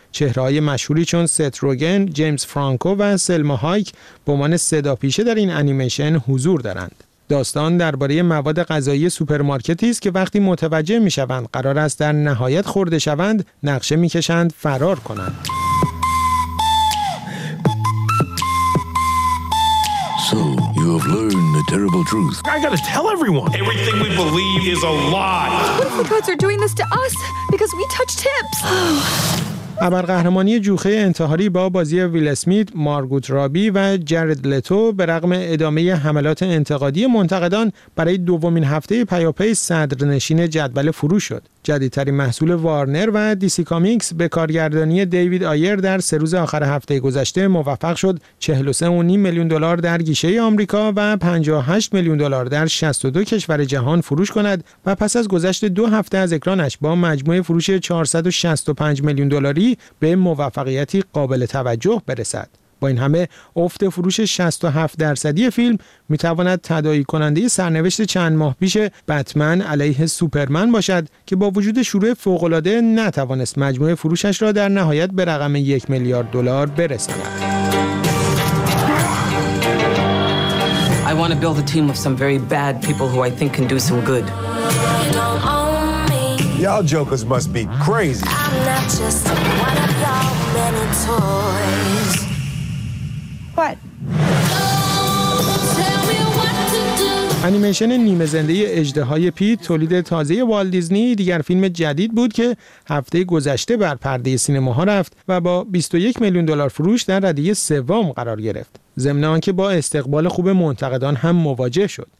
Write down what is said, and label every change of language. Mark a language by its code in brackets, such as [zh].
[fa] چهره‌های مشهوری چون ست روگن، جیمز فرانکو و سلما هایک به عنوان صداپیشه در این انیمیشن حضور دارند. داستان درباره مواد غذایی سوپرمارکتی است که وقتی متوجه می‌شوند قرار است در نهایت خورده شوند، نقشه می‌کشند فرار کنند. [en] So you have learned the terrible truth. I gotta tell everyone. Everything we believe is a lie. What if the gods are doing this to us because we touched tips? [fa] ابرقهرمانی جوخه انتحاری با بازی ویل اسمیت، مارگوت رابی و جارد لتو به رغم ادامه حملات انتقادی منتقدان برای دومین هفته پیاپی صدرنشین جدول فروش شد. جدیدترین محصول وارنر و دیسی کامیکس به کارگردانی دیوید آیر در سه روز آخر هفته گذشته موفق شد 43.5 میلیون دلار در گیشه آمریکا و 58 میلیون دلار در 62 کشور جهان فروش کند و پس از گذشت دو هفته از اکرانش با مجموعه فروش 465 میلیون دلاری به موفقیتی قابل توجه برسد. با این همه افت فروش 67% فیلم میتواند تداعی کننده سرنوشت چند ماه پیش بتمن علیه سوپرمن باشد که با وجود شروع فوق‌العاده نتوانست مجموعه فروشش را در نهایت به رقم 1 میلیارد دلار برساند. [en] I want to build a team of some very bad people who I think can do some good. Y'all jokers must be crazy. I'm not just one of y'all many toys. [fa] انیمیشن نیمه زنده اژدهای پیت تولید تازه والت دیزنی دیگر فیلم جدید بود که هفته گذشته بر پرده سینماها رفت و با 21 میلیون دلار فروش در رده سوم قرار گرفت، ضمن آنکه با استقبال خوب منتقدان هم مواجه شد.